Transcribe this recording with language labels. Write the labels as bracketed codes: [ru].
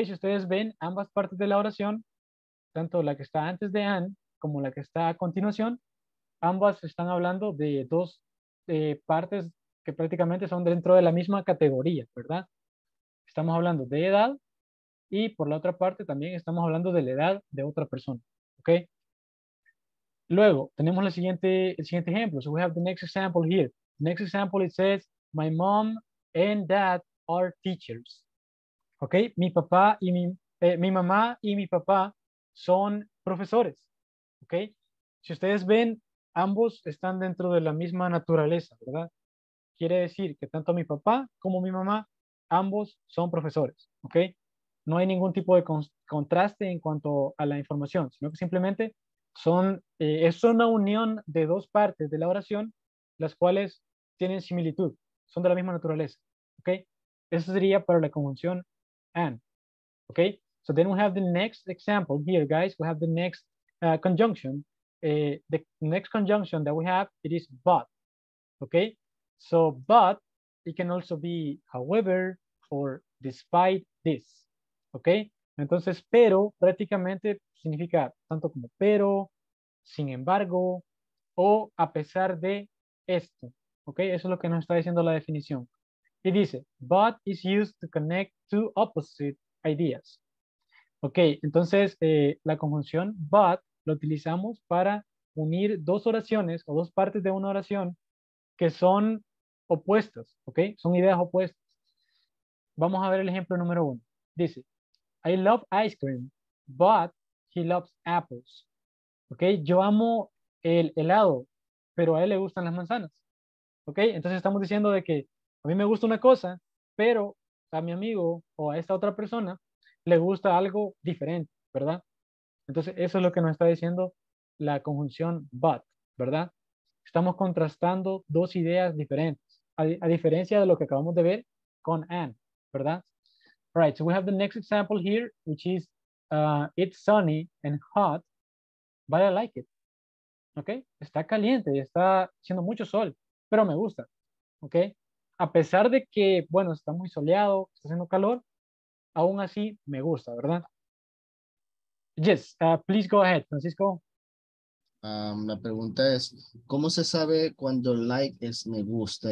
[es] Si ustedes ven ambas partes de la oración, tanto la que está antes de and como la que está a continuación, ambas están hablando de dos partes que prácticamente son dentro de la misma categoría, ¿verdad? Estamos hablando de edad y por la otra parte también estamos hablando de la edad de otra persona, ¿ok? Luego, tenemos el siguiente ejemplo. [en] So we have the next example here. Next example, it says, my mom and dad are teachers. ¿Ok? [es] Mi mamá y mi papá son profesores, ¿ok? Si ustedes ven, ambos están dentro de la misma naturaleza, ¿verdad? Quiere decir que tanto mi papá como mi mamá, ambos son profesores, ¿ok? No hay ningún tipo de contraste en cuanto a la información, sino que simplemente es una unión de dos partes de la oración, las cuales tienen similitud, son de la misma naturaleza, ¿ok? Eso sería para la conjunción and, ¿ok? [en] So then we have the next example here, guys. We have the next conjunction. The next conjunction that we have, it is but, ¿ok? So, but, it can also be however or despite this, ¿ok? [es] Entonces, pero prácticamente significa tanto como pero, sin embargo, o a pesar de esto, ¿ok? Eso es lo que nos está diciendo la definición. Y dice, [en] but is used to connect two opposite ideas. [es] ¿Ok? Entonces, la conjunción but lo utilizamos para unir dos oraciones o dos partes de una oración que son opuestas, ¿ok? Son ideas opuestas. Vamos a ver el ejemplo número uno. Dice, [en] I love ice cream, but he loves apples. ¿Ok? [es] Yo amo el helado, pero a él le gustan las manzanas. ¿Ok? Entonces estamos diciendo de que a mí me gusta una cosa, pero a mi amigo o a esta otra persona le gusta algo diferente, ¿verdad? Entonces eso es lo que nos está diciendo la conjunción but, ¿verdad? Estamos contrastando dos ideas diferentes, a diferencia de lo que acabamos de ver con and, ¿verdad? [en] All right, so we have the next example here, which is, it's sunny and hot, but I like it. ¿Ok? [es] Está caliente y está haciendo mucho sol, pero me gusta. ¿Ok? A pesar de que, bueno, está muy soleado, está haciendo calor, aún así me gusta, ¿verdad? [en] Yes, please go ahead, Francisco. [es] La pregunta es, ¿cómo se sabe cuando like es me gusta?